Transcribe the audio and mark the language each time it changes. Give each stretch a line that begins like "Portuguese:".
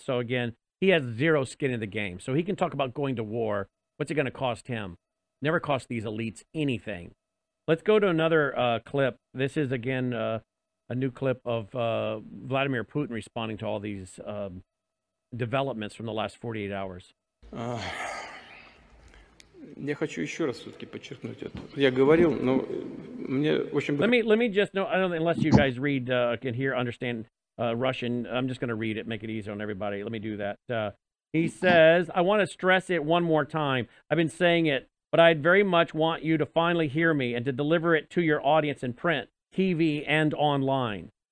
English: So again, he has zero skin in the game. So he can talk about going to war. What's it going to cost him? Never cost these elites anything. Let's go to another clip. This is, again, a new clip of Vladimir Putin responding to all these developments from the last 48 hours.
Russian: Я хочу еще раз все-таки подчеркнуть это. Я говорил, но мне очень...
English: Let me just know, I don't, unless you guys read, can hear, understand Russian, I'm just going to read it, make it easy on everybody. Let me do that. He says, I want to stress it one more time. I've been saying it, but I'd very much want you to finally hear me and to deliver it to your audience in print, TV, and online.